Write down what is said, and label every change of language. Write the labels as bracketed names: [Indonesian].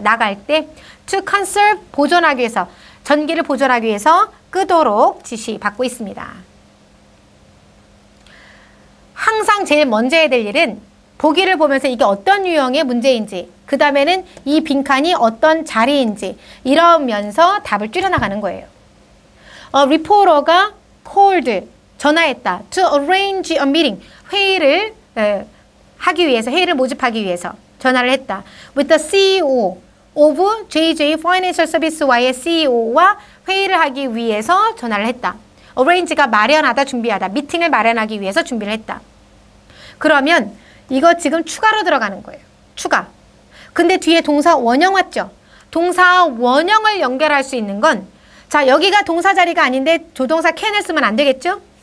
[Korean] 나갈 때 [English] to conserve [Korean] 보존하기 위해서 전기를 보존하기 위해서 끄도록 지시받고 있습니다. 항상 제일 먼저 해야 될 일은 보기를 보면서 이게 어떤 유형의 문제인지 그 다음에는 이 빈칸이 어떤 자리인지 이러면서 답을 줄여나가는 거예요. [English] A reporter가 called, [Korean] 전화했다. [English] To arrange a meeting, [Korean] 회의를 하기 위해서, 회의를 모집하기 위해서 전화를 했다. [English] With the CEO of JJ Financial Service와의 [Korean] CEO와 회의를 하기 위해서 전화를 했다. Arrange가 마련하다, 준비하다. 미팅을 마련하기 위해서 준비를 했다. 그러면 이거 지금 추가로 들어가는 거예요. 추가. 근데 뒤에 동사 원형 왔죠? 동사 원형을 연결할 수 있는 건 자 여기가 동사 자리가 아닌데 조동사 can을 쓰면 안 되겠죠?